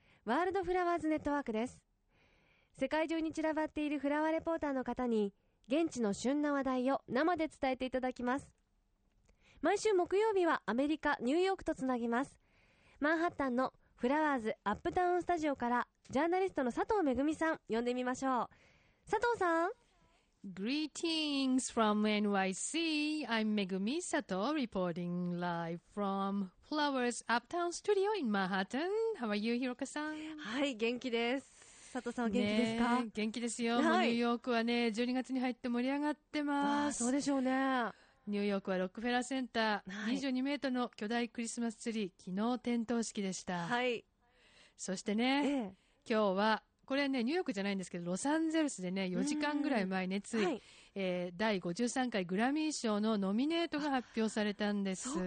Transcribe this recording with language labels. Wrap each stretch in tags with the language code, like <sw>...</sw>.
<ja>ワールドフラワーズネットワークです。世界中に散らばっているフラワーレポーターの方に現地の旬な話題を生で伝えていただきます。毎週木曜日はアメリカ・ニューヨークとつなぎます。マンハッタンのフラワーズアップタウンスタジオからジャーナリストの佐藤めぐみさん呼んでみましょう。佐藤さん、</ja> <en>Greetings from NYC. I'm Megumi Sato, reporting live from Flowers Uptown Studio in Manhattan. How are you, Hiroka-san?</en> <ja>はい、元気です。佐藤さんは元気ですか？ね、元気ですよ。はい、ニューヨークはね、12月に入って盛り上がってます。そうでしょうね。ニューヨークはロックフェラーセンター、22メートルの巨大クリスマスツリー、昨日点灯式でした。はい。そしてね、今日は、これね、ニューヨークじゃないんですけど、ロサンゼルスでね、4時間ぐらい前ね、つい、はい、第53回グラミー賞のノミネートが発表されたんです。</ja>